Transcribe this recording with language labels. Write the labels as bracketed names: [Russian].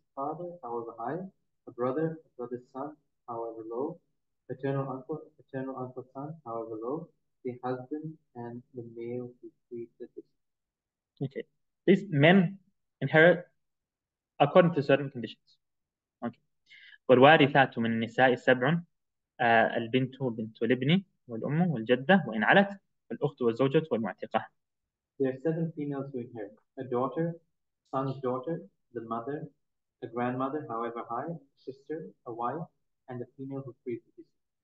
[English] father, however high, a brother, a brother's son, however low, paternal uncle son, however low, the husband and the male who treat the deceased. Okay, these men inherit according to certain conditions. [Arabic] Okay, والوارثات من النساء سبع البنت بنت الابن والأم والجدة وإن علت الأخت والزوجة والمعتقة. [English] There are seven females who inherit: a daughter, son's daughter, the mother, a grandmother, however high, a sister, a wife, and a female who frees the deceased.